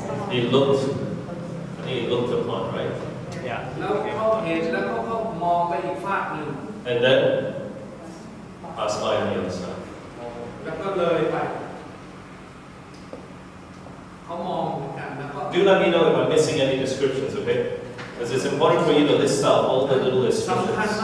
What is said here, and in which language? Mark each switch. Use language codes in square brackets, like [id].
[en] He looked, he looked upon, right? Yeah. [th] แล้วเขาเห็นแล้วก็มองไปอีกฝั่งหนึ่ง [en] And then, passed by on the other side. [th] แล้วก็เลยไปเขามองกันแล้วก็ [en] Do let me know if I'm missing any descriptions, okay? Because it's important for you to list out all the little descriptions.